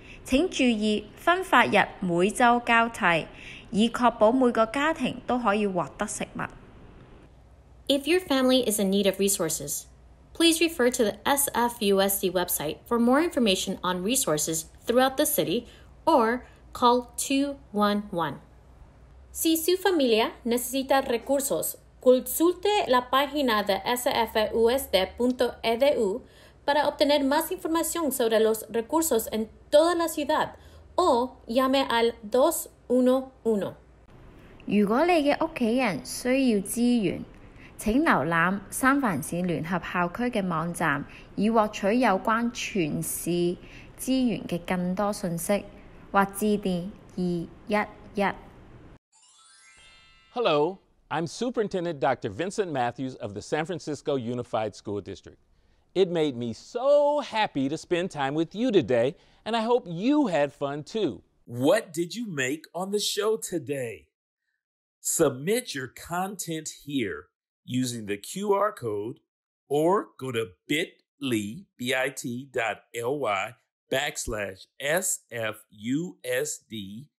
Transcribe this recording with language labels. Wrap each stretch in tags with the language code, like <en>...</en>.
<zh>请注意分发日每周交替，以确保每个家庭都可以获得食物。</zh> <en>If your family is in need of resources, please refer to the SFUSD website for more information on resources throughout the city or call 211.</en> <es>Si su familia necesita recursos,Consulte la página de sfusd.edu para obtener más información sobre los recursos en toda la ciudad o llame al 211.</es> <zh>如果你的家人需要资源，请浏览三藩市联合校区的网站，以获取有关全市资源的更多信息，或致电211。</zh> <en>Hello. I'm Superintendent Dr. Vincent Matthews of the San Francisco Unified School District. It made me so happy to spend time with you today, and I hope you had fun too. What did you make on the show today? Submit your content here using the QR code or go to bit.ly/SFUSD.</en>